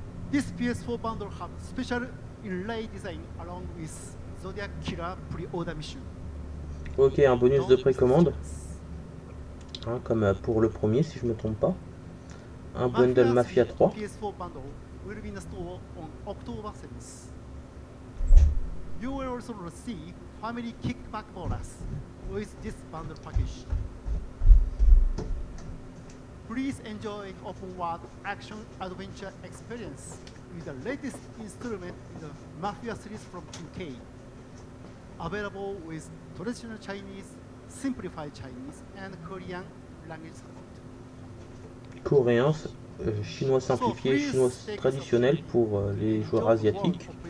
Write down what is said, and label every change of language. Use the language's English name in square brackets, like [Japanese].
[English] This PS4 bundle have special inlay design along with Zodiac Killer pre-order mission. [French] Ok, un bonus de précommande. Hein, comme pour le premier, si je me trompe pas. Un bundle Mafia 3. [English] PS4 bundle will be in the store on October 7th. You will also receive family kickback bonus with this bundle package. Please enjoy open world action adventure experience. With the latest installment in the Mafia series from 2K, available with traditional Chinese, simplified Chinese, and Korean language support. [French] Coréen, chinois simplifié, chinois traditionnel pour les joueurs asiatiques.